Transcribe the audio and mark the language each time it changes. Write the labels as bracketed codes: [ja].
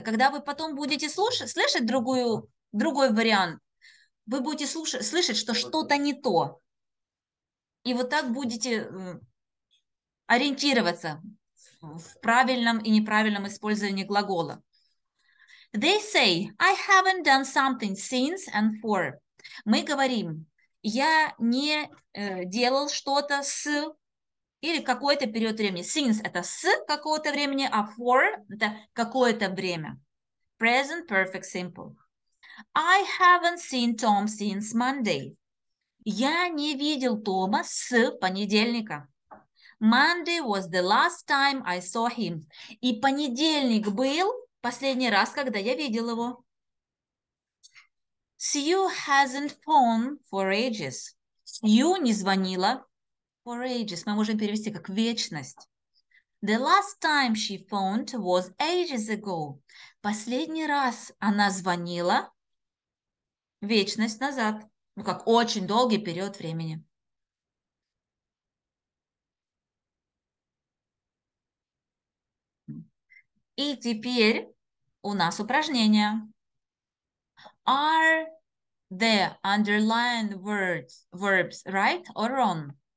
[ru] Когда вы потом будете слышать другой вариант, вы будете слышать, что что-то не то. И вот так будете ориентироваться в правильном и неправильном использовании глагола. [en] They say, I haven't done something since and for. [ru] Мы говорим, я не делал что-то с или какой-то период времени. Since – это с какого-то времени, а for – это какое-то время. [en] Present perfect simple. I haven't seen Tom since Monday. [ru] Я не видел Тома с понедельника. [en] Monday was the last time I saw him. [ru] И понедельник был последний раз, когда я видел его. [en] Sue hasn't phoned for ages. Sue [ru] не звонила [en] for ages. [ru] Мы можем перевести как вечность. [en] The last time she phoned was ages ago. [ru] Последний раз она звонила вечность назад. Ну, как очень долгий период времени. И теперь у нас упражнение. [en] Are the underlined words, verbs right or wrong?